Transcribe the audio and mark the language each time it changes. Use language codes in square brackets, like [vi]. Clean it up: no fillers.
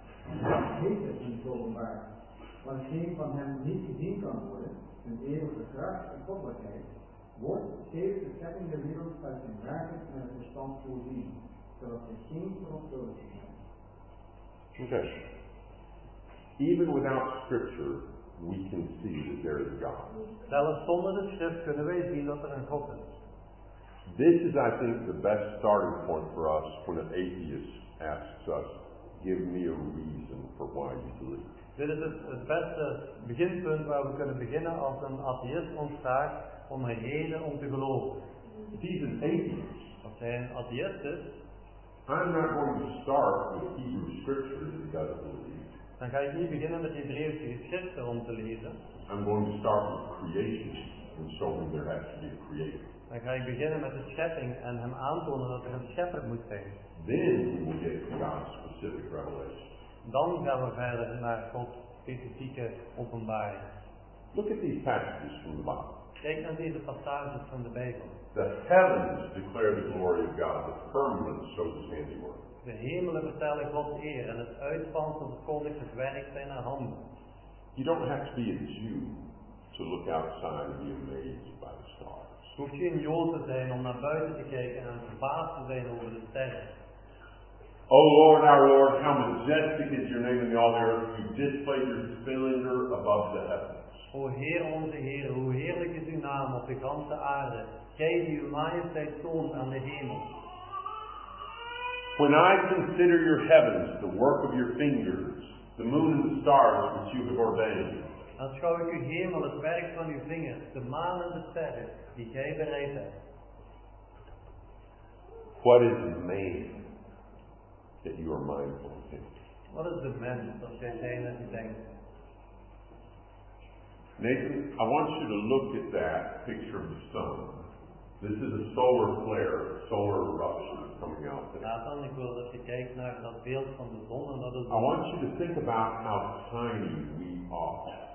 [nl] En dat heeft het niet openbaar. Want het kind van hem niet gezien kan worden, zijn eeuwige kracht en goddelijkheid, wordt steeds de schepping der wereld uit zijn werken en het verstand voorzien, zodat het kind van God dood is. Oké. [en] Even without scripture, we can see that there is God. [nl] Zelfs zonder de schrift kunnen wij zien dat er een God is. [en] This is, I think, the best starting point for us when an atheist asks us, give me a reason for why you believe. [nl] Dit is het beste beginpunt waar we kunnen beginnen als een atheist ons vraagt om een reden om te geloven. [en] He's an atheist. [nl] Als hij een atheist is, [en] I'm not going to start with Hebrew scripture that he doesn't believe. [nl] Dan ga ik niet beginnen met Hebreeuwse geschriften om te lezen. [en] I'm going to start with creation and showing there has to be a creator. [nl] Dan ga ik beginnen met de schepping en hem aantonen dat er een schepper moet zijn. [en] Then we will get God's specific revelation. [nl] Dan gaan we verder naar Gods specifieke openbaring. [en] Look at these passages from the Bible. [nl] Kijk naar deze passages van de Bijbel. [en] The heavens declare the glory of God, the firmament shows his handiwork. [nl] De hemelen vertellen Gods eer en het uitspansel verkondigt het werk zijner handen. [en] You don't have to be a Jew to look outside and be amazed by the stars. [nl] Je hoeft geen Jood te zijn om naar buiten te kijken en verbaasd te zijn over de sterren. [en] O Lord, our Lord, how majestic is your name in all the earth. You displayed your splendor above the heavens. [nl] O Heer, onze Heer, hoe heerlijk is uw naam op de ganse aarde. Gij die uw majesteit toont aan de hemel. [en] When I consider your heavens, the work of your fingers, the moon and the stars which you have ordained. [nl] Dan schouw ik uw hemel, het werk van uw vingers, de maan en de sterren. Die jij bereid hebt. [en] What is man that you are mindful of him? What is the man [nl] dat jij zijn en denkt? [en] Nathan, I want you to look at that picture of the sun. This is a solar flare, a solar eruption coming out there. [nl] Nathan, ik wil dat je kijkt naar dat beeld van de zon en dat is. [en] I want you to think about how tiny we are.